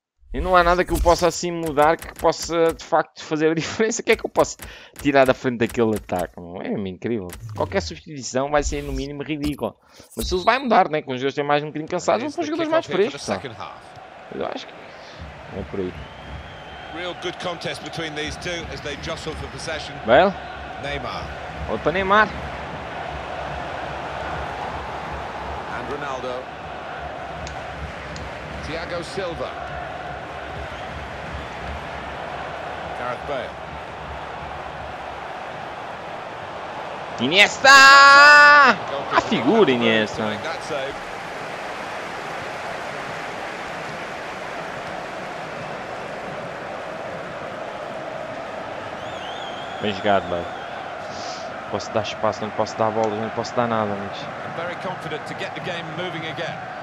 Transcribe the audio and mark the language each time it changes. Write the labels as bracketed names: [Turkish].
[Portuguese] E não há nada que eu possa assim mudar que possa de facto fazer a diferença. O que é que eu posso tirar da frente daquele ataque? Não é incrível. Qualquer substituição vai ser no mínimo ridícula. Mas se eles vai mudar, né? Com os jogadores mais um bocadinho cansados, vão para os jogadores mais frescos. Eu acho que é por aí. [English] Real good contest between these two as they jostle for possession. Well, Neymar. [Portuguese] Outro para Neymar. [English] And Ronaldo. Thiago Silva. Gareth Bale. [Portuguese] Iniesta! A figura, Iniesta. Bem jogado, Bay. Posso dar espaço, não posso dar bolas, não posso dar nada, mas... [English] Very confident to get the game moving again.